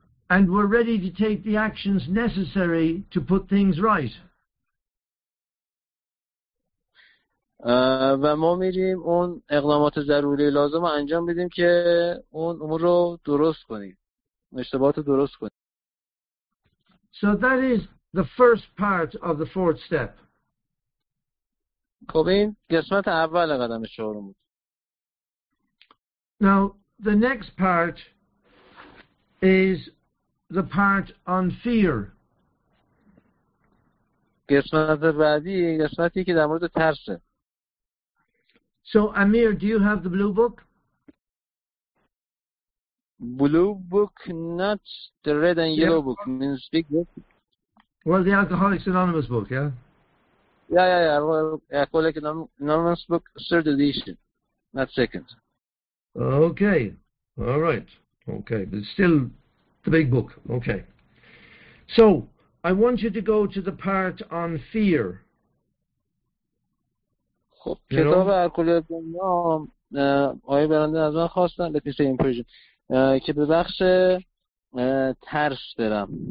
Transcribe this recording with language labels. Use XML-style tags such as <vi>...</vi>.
<en>And we're ready to take the actions necessary to put things right.</en> <fa>و ما میریم اون اقدامات ضروری لازم انجام بدیم که اون امور رو درست کنیم، اشتباهات رو درست کنیم.</fa> <en>So that is the first part of the fourth step.</en> <fa>خب این قسمت اول قدم چهارم بود.</fa> <en>Now the next part is the part on fear.</en> <fa>قسمت بعدی قسمتی که در مورد ترسه.</fa> <en>So Amir, do you have the blue book? Blue book, not the red and yellow book. Means big book. Well, the Alcoholics Anonymous book, yeah. Yeah. Well, Alcoholics Anonymous book, third edition, not second. Okay. All right. Okay, but still the big book. Okay. So I want you to go to the part on fear.</en> <fa>خب کتاب الکلی گمنام آقای برنده از من خواستن لپیسه این پروژه که به بخش ترس برم.</fa>